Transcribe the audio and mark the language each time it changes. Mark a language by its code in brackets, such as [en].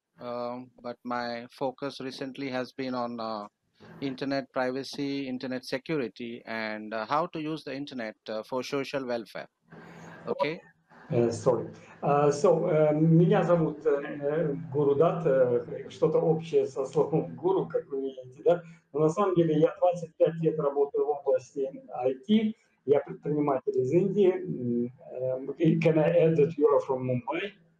[en] But my focus recently has been on internet privacy, internet security, and how to use the internet for social welfare. Okay. Sorry. [ru] Меня зовут Гурудат, что-то общее со словом гуру, как вы видите, да? Но на самом деле я 25 лет работаю в области IT, я предприниматель из Индии. [en] Can I add that you are from Mumbai?